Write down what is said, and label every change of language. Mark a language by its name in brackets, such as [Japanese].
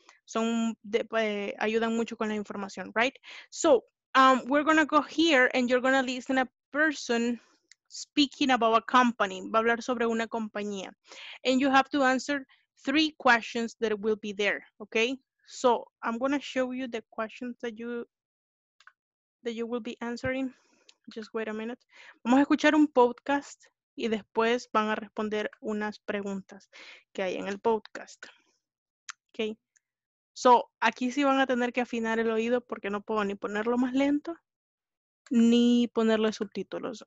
[Spanish] Son de, ayudan mucho con la información, right? [English] So. We're going to go here and you're going to listen a person speaking about a company. [Spanish] Va a hablar sobre una compañía. [English] And you have to answer 3 questions that will be there, okay? So, I'm going to show you the questions that you will be answering. Just wait a minute. [Spanish] Vamos a escuchar un podcast y después van a responder unas preguntas que hay en el podcast. Okay? So, aquí sí van a tener que afinar el oído porque no puedo ni ponerlo más lento ni ponerle subtítulos.